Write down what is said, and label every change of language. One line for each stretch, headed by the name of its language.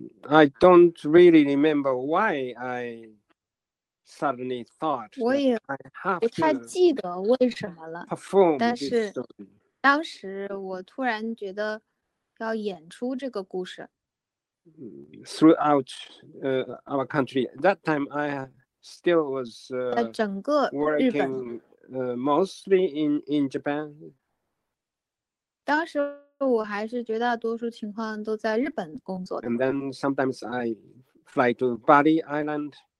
English: I don't really remember why I suddenly thought
Chinese: 我也不太记得为什么了，但是当时我突然觉得要演出这个故事。
English: Throughout our country, that time I still was working mostly in Japan.
Chinese: 当时我还是绝大多数情况都在日本工作的。
English: And then sometimes I fly to Bali Island.